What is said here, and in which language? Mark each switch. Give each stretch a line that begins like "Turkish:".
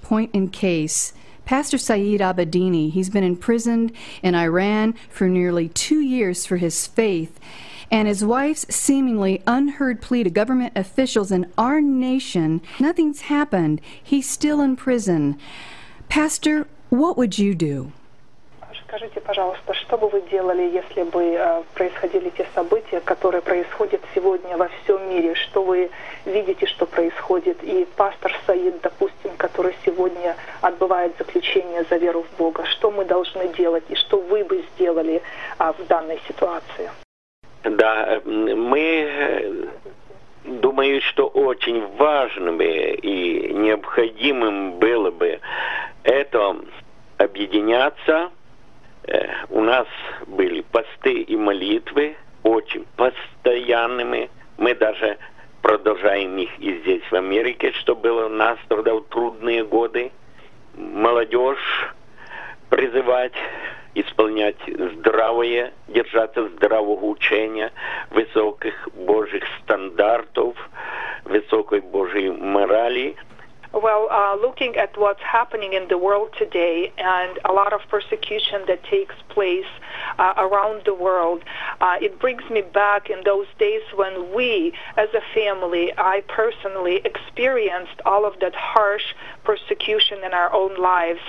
English: Point in case, Pastor Saeed Abedini, he's been imprisoned in Iran for nearly 2 years for his faith. And his wife's seemingly unheard plea to government officials in our nation, nothing's happened. He's still in prison. Pastor, what would you do?
Russian: Скажите, пожалуйста, что бы вы делали, если бы происходили те события, которые происходят сегодня во всем мире? Что вы видите, что происходит? И пастор Саид, допустим, который сегодня отбывает заключение за веру в Бога, что мы должны делать и что вы бы сделали в данной ситуации? Да, мы думаю, что очень важным и необходимым было бы это объединяться. У нас были посты и молитвы очень постоянными. Мы даже продолжаем их и здесь, в Америке, что было у нас тогда в трудные годы. Молодежь призывать исполнять здравое, держаться здравого учения, высоких Божьих стандартов, высокой Божьей морали.
English: Well, looking at what's happening in the world today and a lot of persecution that takes place around the world, it brings me back in those days when we, as a family, I personally experienced all of that harsh persecution in our own lives.